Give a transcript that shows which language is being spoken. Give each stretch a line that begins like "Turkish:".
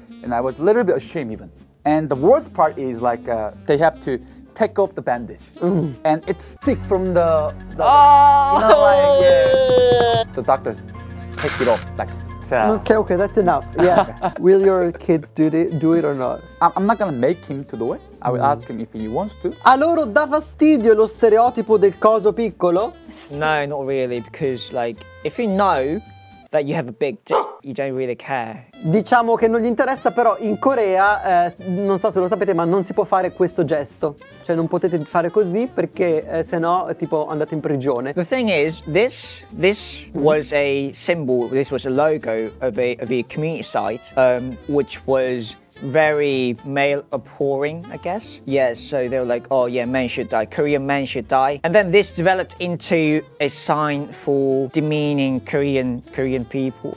English: And I was a little bit ashamed even. And the worst part is like they have to take off the bandage and it stick from the oh! You know, like, yeah. The doctor. Take it off, like, okay, that's enough. Yeah. Will your kids do it or not? I'm not gonna make him to do it. I will ask him if he wants to.
Italian: A loro dà fastidio lo stereotipo del coso piccolo?
English: No, not really, because like, if you know that you have a big dick, you don't really care.
Italian: Diciamo che non gli interessa, però in Corea, non so se lo sapete, ma non si può fare questo gesto. Cioè, non potete fare così perché sennò tipo andate in prigione.
English: The thing is, this was a symbol, this was a logo of a community site, which was very male abhorring, I guess. Yes, so they were like, oh yeah, men should die, Korean men should die. And then this developed into a sign for demeaning Korean people.